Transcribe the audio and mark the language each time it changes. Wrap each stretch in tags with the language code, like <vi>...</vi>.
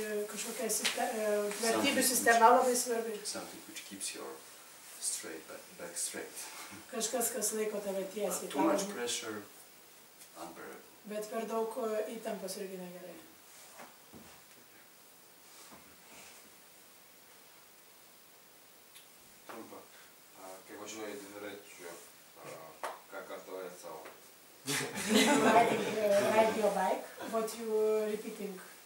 <lt>Kažkokia vertybių sistema labai svarbi.</lt> <en>Something which keeps your straight back straight.</en> <lt>Kažkas, kas laiko tave tiesiai.</lt> <en>But too much pressure, unbearable.</en> <lt>Bet per daug įtampos irgi negerai. Trumpa, kai važiuoji dviračiu, ką kartuoji savo?</lt> <en>Ride your bike, what you repeating?</en>